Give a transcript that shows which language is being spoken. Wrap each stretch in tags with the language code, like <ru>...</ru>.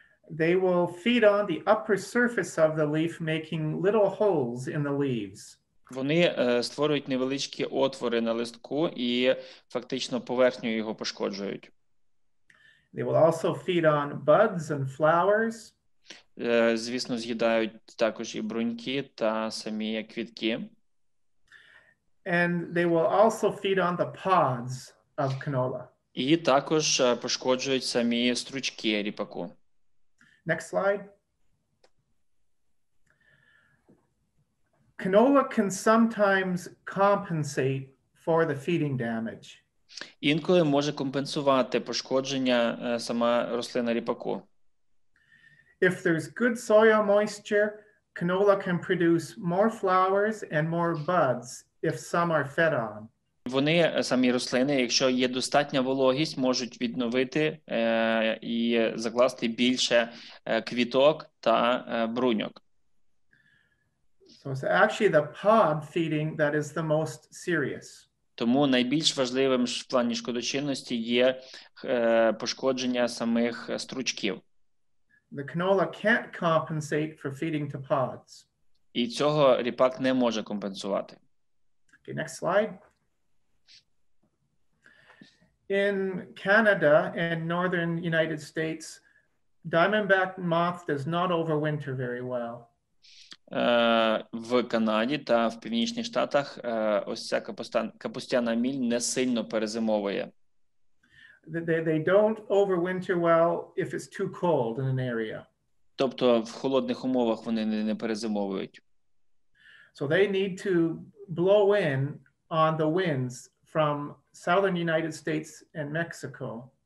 <en>They will feed on the upper surface of the leaf, making little holes in the leaves.</en> <uk>Вони створюють невеличкі отвори на листку і фактично поверхню його пошкоджують.</uk> <en>They will also feed on buds and flowers.</en> <uk>Звісно, з'їдають також і бруньки та самі квітки.</uk> <en>And they will also feed on the pods of canola.</en> <uk>І також пошкоджують самі стручки ріпаку.</uk> <en>Next slide. Canola can sometimes compensate for the feeding damage.</en> <uk>Інколи може компенсувати пошкодження сама рослина ріпаку.</uk> <en>If there's good soil moisture, canola can produce more flowers and more buds if some are fed on.</en> <uk>Вони самі рослини, якщо є достатня вологість, можуть відновити і закласти більше квіток та бруньок.</uk> <en>So it's actually the pod feeding that is the most serious.</en> <uk>Тому найбільш важливим в плані шкодочинності є пошкодження самих стручків.</uk> <en>The canola can't compensate for feeding to pods.</en> <uk>І цього ріпак не може компенсувати.</uk> <en>Okay, next slide. In Canada and northern United States, diamondback moth does not overwinter very well.</en> <uk>В Канаді та в Північних Штатах ось ця капустяна міль не сильно перезимовує.</uk> <en>They don't overwinter well if it's too cold in an area.</en> <uk>Тобто в холодних умовах вони не перезимовують.</uk> <en>So they need to blow in on the winds from southern United States and Mexico.</en>